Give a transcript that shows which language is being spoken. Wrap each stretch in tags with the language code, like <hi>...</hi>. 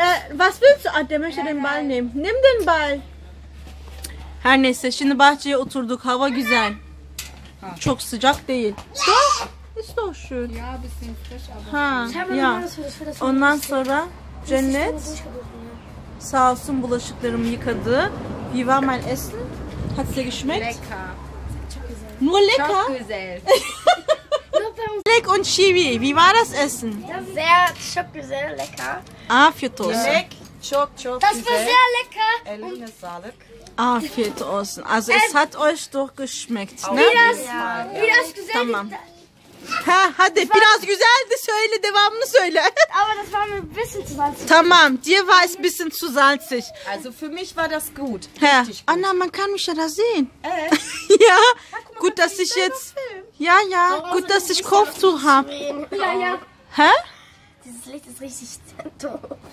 <de>Was willst du an dem Herrn Ball nehmen? Nimm den Ball.</de> <tr>Her neyse şimdi bahçeye oturduk. Hava güzel. Çok sıcak değil.</tr> <de>Ist doch schön. Ja, bisschen frisch aber. Ha. Ja.</de> <tr>Ondan sonra Cennet sağ olsun bulaşıklarımı yıkadı.</tr> <de>Wie war mein Essen? Hat es dir geschmeckt? Nur lecker.</de> <tr>Çok güzel.</tr> <de>Lek und Chibi. Wie war das Essen? Sehr,</de> <tr>çok güzel,</tr> <de>lecker.</de> <tr>Afiyet olsun. Yemek çok çok</tr> <de>das</de> <tr>güzel.</tr> <de>Das war sehr lecker.</de> <tr>Eline sağlık. Afiyet olsun.</tr> <de>Also es hat euch doch geschmeckt.</de> <tr>Ne? Biraz, ja, biraz ja. Güzel. Tamam. Ha, hadi das biraz güzeldi söyle devamını söyle.</tr> <de>Aber das war mir ein bisschen zu salzig.</de> <tr>Tamam,</tr> <de>dir war es ein bisschen zu salzig. Also für mich war das gut. Ha. Richtig gut. Anna, man kann mich ja da sehen.</de> <tr>Evet.</tr> <de>Ja, ha, guck, gut, dass ich jetzt... Ja, ja, so, gut, dass ich Kopftuch habe. Ja, ja. Hä? Dieses Licht ist richtig doof.</de>